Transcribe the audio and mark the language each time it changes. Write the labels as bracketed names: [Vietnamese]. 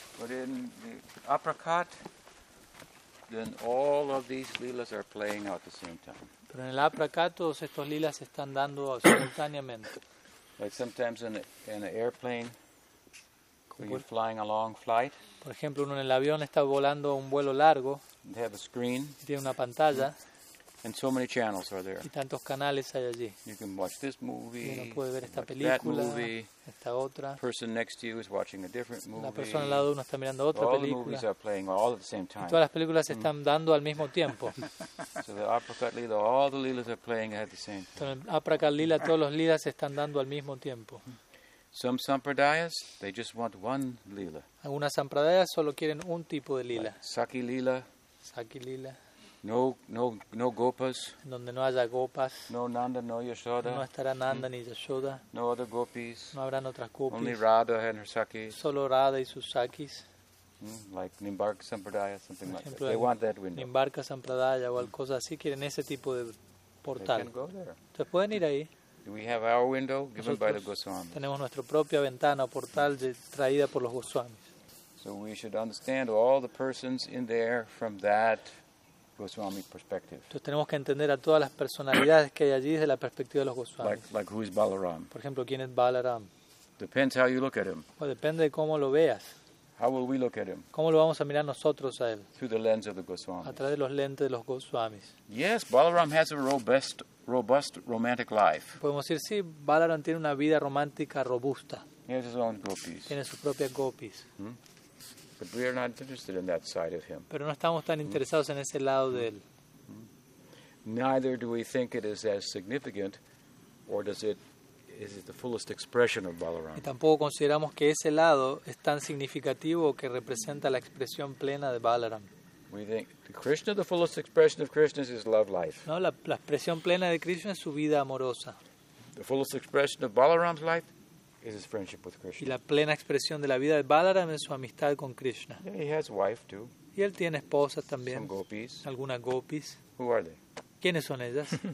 [English] In the apricot, then all of these lilas are playing out at the same time. [Spanish] Pero en el apricot todos estos lilas están dando simultáneamente. [English] Like sometimes in an airplane, when you're flying a long flight. [Spanish] Por ejemplo, uno en el avión está volando un vuelo largo. [English] They have a screen. [Spanish] Y tiene una pantalla. [English] And so many channels are there. [Spanish] Y tantos canales hay allí. [English] You can watch this movie. [Spanish] Uno puede ver esta película. [English] That movie. [Spanish] Esta otra. [English] Person next to you is watching a different movie. [Spanish] La persona al lado de uno está mirando otra [English] all [Spanish] película. [English] All the movies are playing all at the same time. [Spanish] Y todas las películas se están dando al mismo tiempo. [English] So the apricot lila, all the lilas are playing at the same time. [Spanish] Entonces, apricot lila, todos los lilas se están dando al mismo tiempo. [English] Some sampradayas, they just want one lila. [Spanish] Algunas sampradayas solo quieren un tipo de lila. [English] Like Sakhya lila. [Spanish] Sakhya lila. [English] No gopas. [Spanish] Donde no haya gopas. [English] No Nanda, no Yashoda. [Spanish] No estará Nanda ni Yashoda. [English] No other gopis. [Spanish] No habrán otras gopis. [English] Only Radha and her sakis. [Spanish] Solo Radha y sus sakis. [English] Like Nimbarka Sampradaya, something like that. They want that window. [Spanish] Nimbarka Sampradaya o algo así, quieren ese tipo de portal. [English] They can go there. [Spanish] Entonces pueden ir ahí. [English] We have our window given by the Goswamis. [Spanish] Tenemos nuestra propia ventana o portal traída por los Goswamis. [English] So we should understand all the persons in there from that Goswami perspective. [Spanish] Entonces tenemos que entender a todas las personalidades que hay allí desde la perspectiva de los Goswamis. [English] Like who is Balaram? [Spanish] Por ejemplo, ¿quién es Balaram? [English] Depends how you look at him. [Spanish] Pues depende de cómo lo veas. [English] How will we look at him? [Spanish] ¿Cómo lo vamos a mirar nosotros a él? [English] Through the lens of the Goswamis. [Spanish] A través de los lentes de los Goswamis. [English] Yes, Balaram has a robust romantic life. [Spanish] Podemos decir sí, Balaram tiene una vida romántica robusta. [English] He has his own gopis. [Spanish] Tiene sus propias gopis. [English] But we are not interested in that side of him. [Spanish] Pero no estamos tan interesados en ese lado de él. [English] Neither do we think it is as significant, or is it the fullest expression of Balaram. [Spanish] Y tampoco consideramos que ese lado es tan significativo que representa la expresión plena de Balaram. [English] We think Krishna, the fullest expression of Krishna, is his love life. [Spanish] No, la expresión plena de Krishna es su vida amorosa. [English] The fullest expression of Balaram's life. Is his friendship with Krishna. [Spanish] Y la plena expresión de la vida de Balaram es su amistad con Krishna. [English] Yeah, he has wife too. [Spanish] Y él tiene esposas también. [English] Some gopis. [Spanish] Algunas gopis. [English] Who are they? [Spanish] ¿Quiénes son ellas?